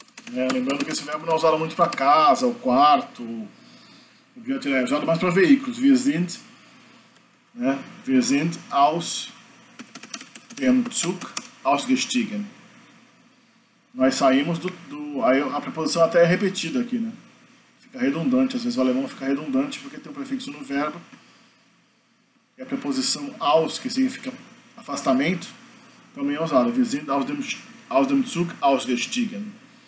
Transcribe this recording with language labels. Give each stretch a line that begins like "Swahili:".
Portuguese: Lembrando que esse verbo não é usado muito para casa, o quarto, o objeto, é usado mais para veículos.
German: Wir sind, né? Wir sind aus dem Zug ausgestiegen.
Portuguese: Nós saímos do... Aí a preposição até é repetida aqui, né? Fica redundante, às vezes o alemão fica redundante porque tem um prefixo no verbo. E a preposição aus, que significa afastamento, também é usada.
German: Wir sind aus dem Zug ausgestiegen.